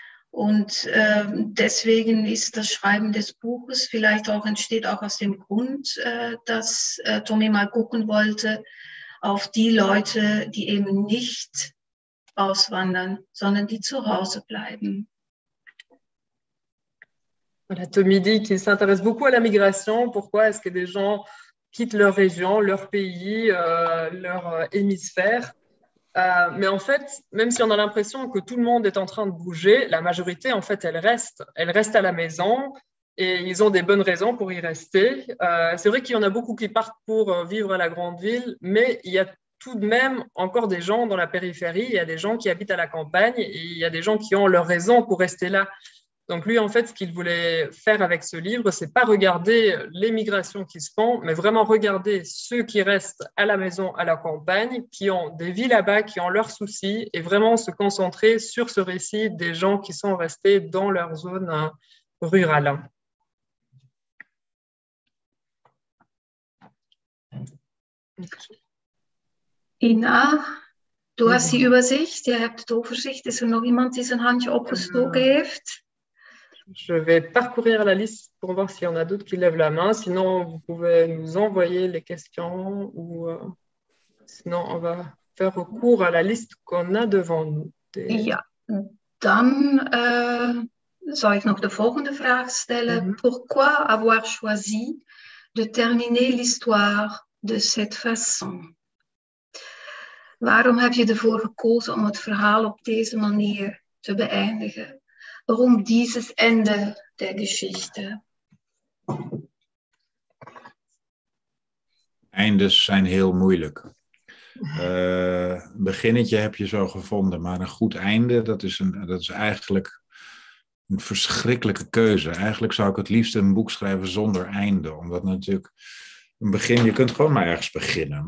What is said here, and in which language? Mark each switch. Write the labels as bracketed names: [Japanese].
[German] Und deswegen ist das Schreiben des Buches vielleicht auch entsteht auch aus dem Grund, dass Tommy mal gucken wollte auf die Leute, die eben nicht auswandern, sondern die zu Hause bleiben. [French] Voilà, Tommy dit qu'il s'intéresse beaucoup à la migration. Pourquoi est-ce que des gens quittent leur région, leur pays, leur hémisphère? Mais en fait, même si on a l'impression que tout le monde est en train de bouger, la majorité, en fait, elle reste. Elle reste à la maison et ils ont des bonnes raisons pour y rester. C'est vrai qu'il y en a beaucoup qui partent pour vivre à la grande ville, mais il y a tout de même encore des gens dans la périphérie. Il y a des gens qui habitent à la campagne et il y a des gens qui ont leurs raisons pour rester là. Donc lui, en fait, ce qu'il voulait faire avec ce livre, c'est pas regarder les migrations qui se font, mais vraiment regarder ceux qui restent à la maison, à la campagne, qui ont des vies là-bas, qui ont leurs soucis, et vraiment se concentrer sur ce récit des gens qui sont restés dans leur zone rurale. [German] Ina, du hast die Übersicht, ihr habt die Übersicht, ist noch jemand, die sein Handchen [Dutch] aufgestoken heeft? [French] Je vais parcourir la liste pour voir s'il y en a d'autres qui lèvent la main. Sinon, vous pouvez nous envoyer les questions ou sinon, on va faire recours à la liste qu'on a devant nous. [German] Ja, dann soll ich noch die folgende Frage stellen. Mm-hmm. [French] Pourquoi avoir choisi de terminer l'histoire de cette façon? [Dutch] Waarom heb je ervoor gekozen om het verhaal op deze manier te beëindigen? [German] Warum dieses Ende der Geschichte? [Dutch] Eindes zijn heel moeilijk. Beginnetje heb je zo gevonden, maar een goed einde, dat is eigenlijk een verschrikkelijke keuze. Eigenlijk zou ik het liefst een boek schrijven zonder einde, omdat natuurlijk een begin, je kunt gewoon maar ergens beginnen.